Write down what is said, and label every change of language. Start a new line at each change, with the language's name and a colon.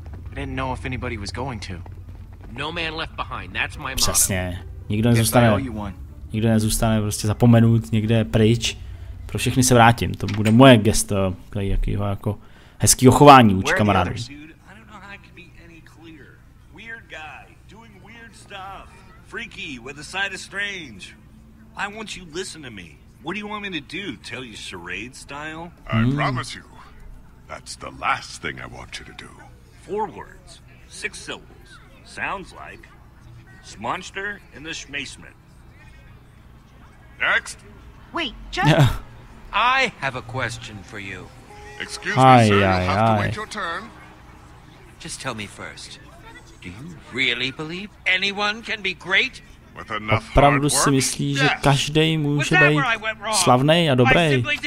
English: I didn't know if anybody was going to. No man left behind. That's my motto.
Czech: Přesně. Nikdo nezůstane. Nikdo nezůstane prostě zapomenut někde pryč. Pro všechny se vrátím. To bude moje gesto, jakýho jako hezkýho chování vůči kamarádům.
English: Where are the others, dude? I don't know how I can be any clearer. Weird guy, doing weird stuff. Freaky with a side of strange. I want you to listen to me. What do you want me to do? Tell you charade style? I promise you, that's the last thing I want you to do. Four words, six syllables. Sounds like Smonster and the Schmacement. Next. Wait, Jeff. Yeah. I have a question for you. Excuse me, sir. You'll have to wait your turn. Just tell me first. Do you really believe anyone can be great?
Czech: Opravdu si myslí, že každý může být slavný a dobrý.